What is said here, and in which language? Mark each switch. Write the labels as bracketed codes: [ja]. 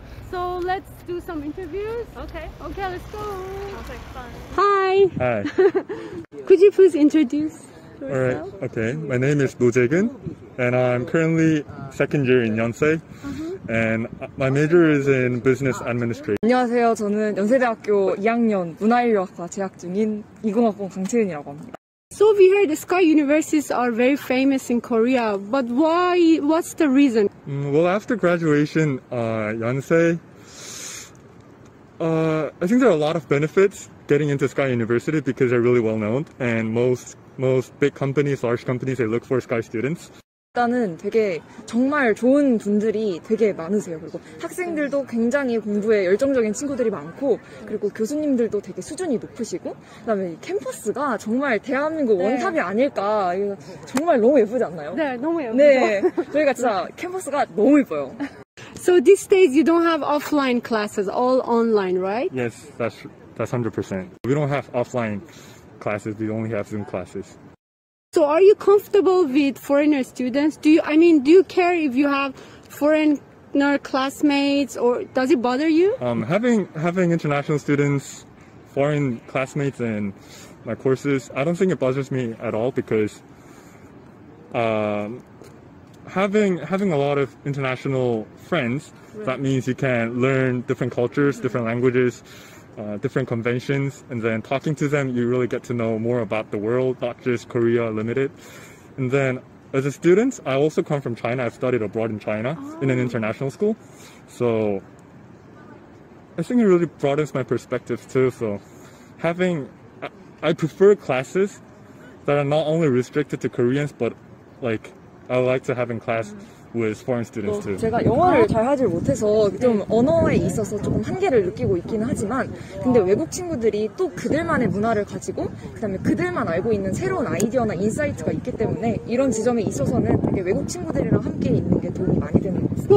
[en] So let's do some interviews. Okay. Okay, let's go. Sounds like fun. Hi. Hi. Could you please introduce yourself? All right. Okay. My name is Lu Jaegun, and I'm currently second year in Yonsei. And my major is in business administration. [ko] 안녕하세요. 저는 연세대학교 2학년 문화인류학과 재학 중인 2020학번 강채은이라고 합니다. [en] So we heard the Sky Universities are very famous in Korea, but why, what's the reason? Well, after graduation, Yonsei, I think there are a lot of benefits getting into Sky University because they're really well known, and most big companies, large companies, they look for Sky students. [ko] 일단은 되게 정말 좋은 분들이 되게 많으세요. 그리고 학생들도 굉장히 공부에 열정적인 친구들이 많고 그리고 교수님들도 되게 수준이 높으시고 그다음에 캠퍼스가 정말 대한민국 원탑이 아닐까. 정말 너무 예쁘지 않나요? 네, 너무 예쁘죠. 네, 저희가 진짜 캠퍼스가 너무 예뻐요. [en] So these days you don't have offline classes, all online, right? Yes, that's 100%. We don't have offline classes. We only have Zoom classes. So are you comfortable with foreigner students? Do you, I mean, do you care if you have foreigner classmates, or does it bother you? Having international students, foreign classmates in my courses, I don't think it bothers me at all, because having a lot of international friends, right, that means you can learn different cultures, mm-hmm, different languages, different conventions, and then talking to them, you really get to know more about the world, not just Korea limited. And then as a student, I also come from China. I've studied abroad in China, oh, in an international school. So I think it really broadens my perspective too. So having, I prefer classes that are not only restricted to Koreans, but like, I like to have in class with foreign students too. [ko] 제가 영어를 잘 하질 못해서 좀 언어에 있어서 조금 한계를 느끼고 있기는 하지만, 근데 외국 친구들이 또 그들만의 문화를 가지고 그다음에 그들만 알고 있는 새로운 아이디어나 인사이트가 있기 때문에 이런 지점에 있어서는 되게 외국 친구들이랑 함께 있는 게 도움이 많이 되는 것 같습니다.